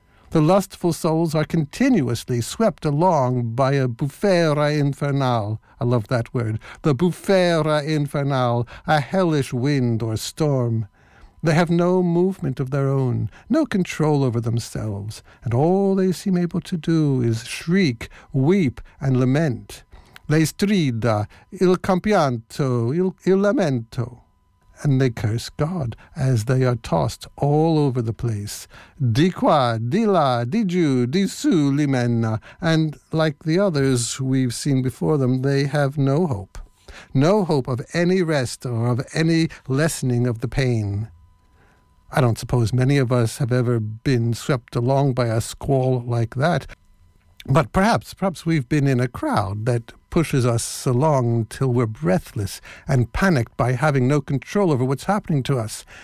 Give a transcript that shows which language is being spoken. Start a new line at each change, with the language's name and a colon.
English: The lustful souls are continuously swept along by a bufera infernal. I love that word. The bufera infernal, a hellish wind or storm. They have no movement of their own, no control over themselves, and all they seem able to do is shriek, weep, and lament.
Italian: Le strida, il compianto, il lamento.
English: And they curse God as they are tossed all over the place.
Italian: Di qua, di là, di giù, di su, limena.
English: And like the others we've seen before them, they have no hope. No hope of any rest or of any lessening of the pain. I don't suppose many of us have ever been swept along by a squall like that. But perhaps we've been in a crowd that pushes us along till we're breathless and panicked by having no control over what's happening to us.